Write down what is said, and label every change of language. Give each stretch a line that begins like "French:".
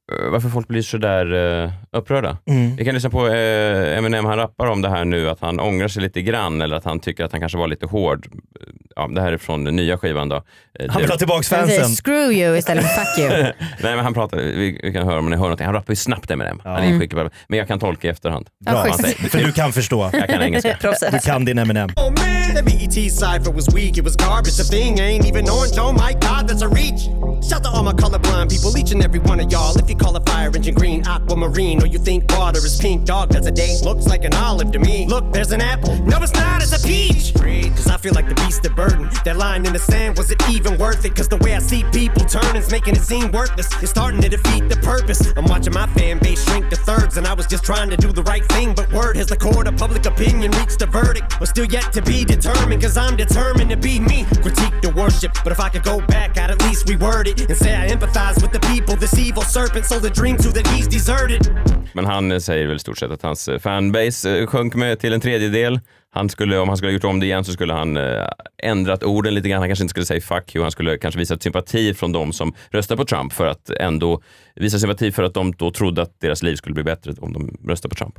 Swedish: Varför folk blir så där upprörda. Vi kan lyssna på Eminem, han rappar om det här nu, att han ångrar sig lite grann, eller att han tycker att han kanske var lite hård. Ja, det här är från den nya skivan då. Han vill ha tillbaka fansen.
English: Screw you
Swedish: istället för
English: fuck you.
Swedish: Nej, men han pratar, vi kan höra om ni hör någonting. Han rappar ju snabbt Eminem. Ja. Han är skicklig, men jag kan tolka i efterhand. Bra. Bra. För du kan förstå. Jag kan engelska. Du kan din Eminem.
English: The BET cipher was weak, it was garbage. The thing ain't even orange, oh my god, that's a reach. Shout to all my colorblind people, each and every one of y'all. If you call a fire engine green, aquamarine, or you think water is pink, dog, that's a date. Looks like an olive to me. Look, there's an apple. No, it's not, it's a peach. Cause I feel like the beast of burden. That line in the sand, was it even worth it? Cause the way I see people turn is making it seem worthless. It's starting to defeat the purpose. I'm watching my fan base shrink to thirds, and I was just trying to do the right thing. But word has the court of public opinion reached a verdict. But still yet to be determined. Determined, cause I'm determined to be me. Critique the worship, but if I could go back, I'd at least reword it and say I empathize with the people. This evil serpent sold a dream to that he's deserted.
Swedish: Men han säger väl stort sett att hans fanbase sjönk med till en tredjedel. Han skulle, om han skulle ha gjort om det igen, så skulle han ändrat orden lite grann. Han kanske inte skulle säga fuck you. Han skulle kanske visa sympati från dem som röstar på Trump, för att ändå visa sympati för att de då trodde att deras liv skulle bli bättre om de röstar på Trump.